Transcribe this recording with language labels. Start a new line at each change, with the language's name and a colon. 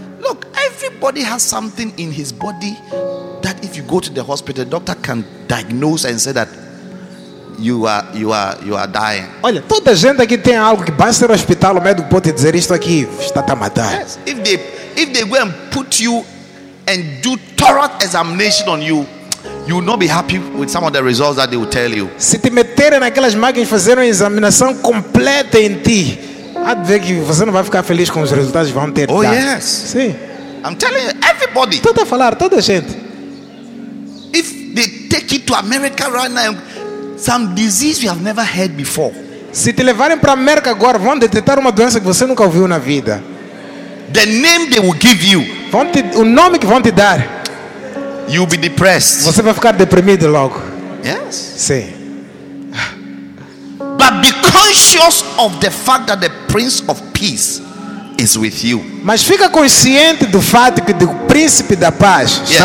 English: Look, everybody has something in his body that if you go to the hospital, the doctor can diagnose and say that you are dying.
Portuguese: Olha, toda gente aqui tem algo que basta ir ao hospital, o médico pode dizer isto aqui, está a matar.
English: Yes, if they go and put you and do thorough examination on you, you will not be happy with some of the results that they will tell you.
Portuguese: Se te meterem naquelas máquinas fazer uma examinação completa em ti, há de ver que você não vai ficar feliz com os resultados que vão ter.
English: Oh, yes.
Portuguese: Sim.
English: I'm telling you, everybody.
Portuguese: Tudo a falar, toda a gente.
English: If they take you to America right now, some disease you have never heard before.
Portuguese: Se te levarem para a América agora, vão detectar uma doença que você nunca ouviu na vida.
English: The name they will give you.
Portuguese: O nome que vão te dar.
English: You'll be depressed.
Portuguese: Você vai ficar deprimido logo.
English: Yes.
Portuguese: Sim.
English: But be conscious of the fact that the Prince of Peace is with you.
Portuguese: Mas fica consciente do fato que o Príncipe da Paz está